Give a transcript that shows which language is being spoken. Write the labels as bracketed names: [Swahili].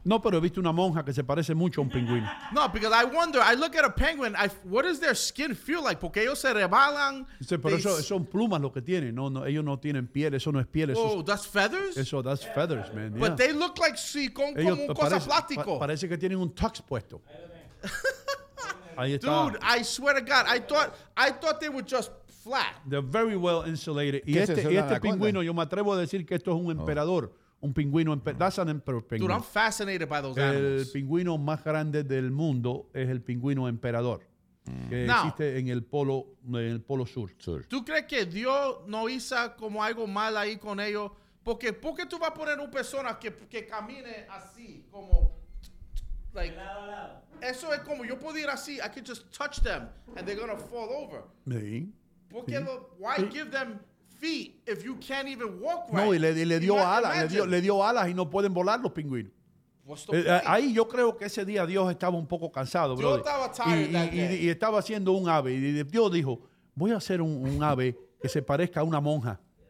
[Spanish] No, pero he visto una monja que se parece mucho a un pingüino. [English] No, because I wonder, I look at a penguin, what does their skin feel like? [Spanish] Porque ellos se rebalan. Sí, pero eso son plumas lo que tienen. No, no, ellos no tienen piel, eso no es piel. [English] Oh, that's feathers? Eso, that's feathers, man. But they look like, [Spanish] sí, como un cosa plástico. Parece que tienen un tux puesto. Ahí está. [English] Dude, I swear to God, I thought they were just flat. They're very well insulated. [Spanish] Y este pingüino, yo me atrevo a decir que esto es un emperador. Un pingüino, [English] that's an emperor penguin. Dude, I'm fascinated by those animals. [Spanish] El pingüino más grande del mundo es el pingüino emperador, que existe en el polo sur. ¿Tú crees que Dios no hizo como algo mal ahí con ellos? ¿Por qué tú vas a poner una persona que camine así, como, like, eso es como, yo puedo ir así, [English] I could just touch them, and they're going to fall over. [Spanish] Sí. [English] Why give them feet if you can't even walk right? [Spanish] No, y le dio alas, le dio alas y no pueden volar los pingüinos. Ahí yo creo que ese día Dios estaba un poco cansado, bro. Y estaba haciendo un ave. Y Dios dijo, voy a hacer un ave que se parezca a una monja.